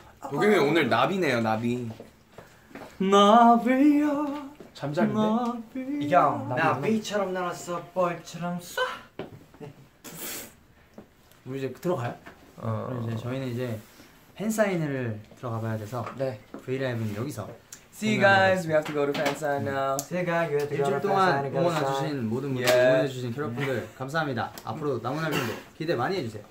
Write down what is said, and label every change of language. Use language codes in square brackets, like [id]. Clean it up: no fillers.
[ko] 도겸이 오늘 나비네요. 나비 나비야 잠자리인데? 나비야 나비처럼 날았어 벌처럼 쏴. 우리 이제 들어가요? 이제 저희는 이제 팬사인회를 들어가 봐야 돼서 네 브이라이브는 여기서 [en] See you guys, we have to go to fan sign now. See you guys, we have to go to fan sign. [ko] 일주일 동안 응원해주신 모든 분들, 응원해주신 캐럿분들 감사합니다. 앞으로 남은 활동도 기대 많이 해주세요.